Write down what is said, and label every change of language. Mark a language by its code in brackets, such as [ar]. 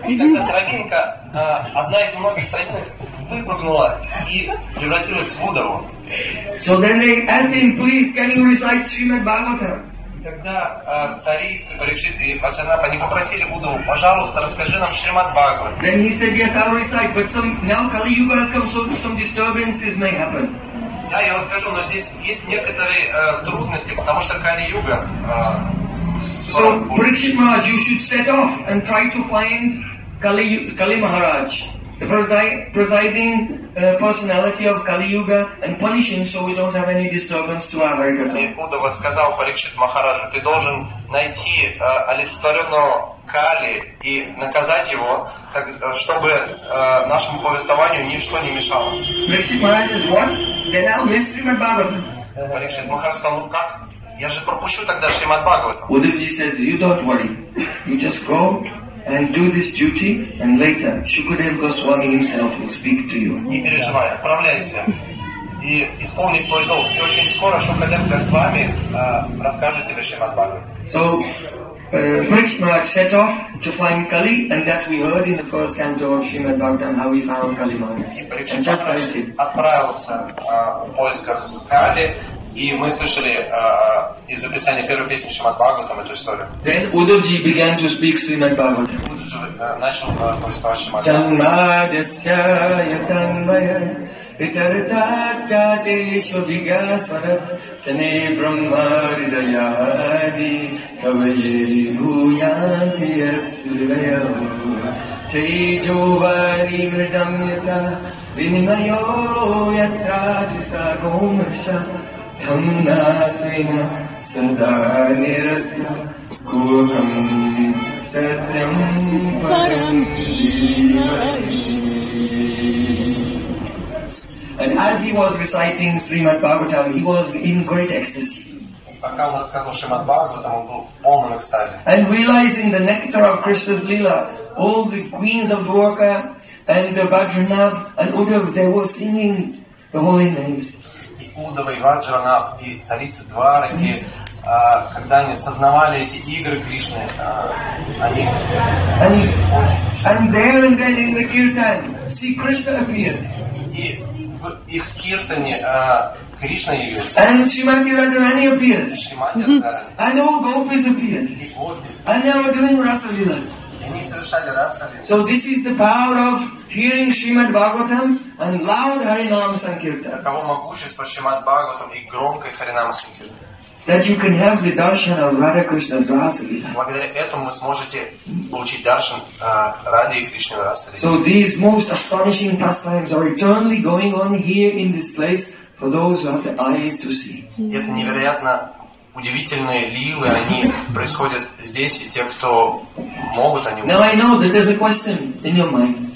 [ru] Травинка, одна из многих травинок выпрыгнула и превратилась в Удаву. [en] So then they asked him, please, can you recite Srimad Bhagavatam? [ru] Когда царицы Парикшит и Ваджранаб они попросили Удаву, пожалуйста, расскажи нам Шримад Бхагаватам. [en] Then he said, yes, I'll recite, but now Kali Yuga has come, so some disturbances may happen. [ru] Да, я расскажу, но здесь есть некоторые трудности, потому что Кали Юга [en] So, Parikshit Maharaj, you should set off and try to find Kali Maharaj, the presiding personality of Kali Yuga, and punish him so we don't have any disturbance to our Bhagavatam. [ru] Удава сказал Парикшит Махараджу, ты должен найти олицетворенного Кали и наказать его, так, чтобы нашему повествованию ничто не мешало. [en] Parikshit Maharaj says, what? Then I'll miss Srimad Bhagavatam. [ru] Парикшит Махараджу сказал, ну как? Я же пропущу тогда Шримад Бхагаватам. [en] Удавджи said, you don't worry. You just go and do this duty and later Shukadev Goswami himself will speak to you. [ru] Не переживай, отправляйся и исполни свой долг. И очень скоро Шукадев Госвами расскажет тебе Шримад Бхагаватам. [en] So, Parikshit Maharaj set off to find Kali and that we heard in the first canto of Srimad Bhagavatam how he found Kali Maharaj. And just like it. [ru] Отправился в поисках Кали. И мы слышали из описания первой песни Шримад Бхагаватам эту историю. [en] Then Удавджи began to speak Srimad Bhagavatam. [ru] Удавджи начал повествовать Шримад Бхагаватам. [sa] Тамадасья ятанмая Итартасья тешвабига сварат Тане брахма ридаяди Каваи гуянти ацудая Тейджо вари мридам ята Винимайо ятрати сагумаша Тамнасвина садханираста кулам сатям парам тимахи. [en] And as he was reciting Srimad Bhagavatam, he was in great ecstasy. [ru] Пока он рассказывал Шримад Бхагаватам, он был в полном экстазе. [en] And realizing the nectar of Krishna's lila, all the queens of Dwarka and the Ваджранаб and Удав, they were singing the holy names. [ru] Удава и Ваджранаб и царицы Двараки, когда они сознавали эти игры Кришны, они [en] and then in the kirtan see Krishna appeared. [ru] И в их киртане Кришна явился. [en] And Shrimati Radharani appeared. And all gopis appeared. And they were doing rasa lila. [ru] Они совершали раса лила. [en] So this is the power of hearing Srimad Bhagavatam and loud Harinam Sankirtan. [ru] Таково могущество Шримад Бхагаватам и громкой Харинам Санкиртан. [en] That you can have the darshan of Radha Krishna's rasa lila. [ru] Благодаря этому вы сможете получить даршан Радхи и Кришны раса лила. [en] So these most astonishing pastimes are eternally going on here in this place for those who have the eyes to see. [ru] Это невероятно удивительные лилы, они происходят здесь, и те, кто могут, они могут. [en] Now I know that there's a question in your mind.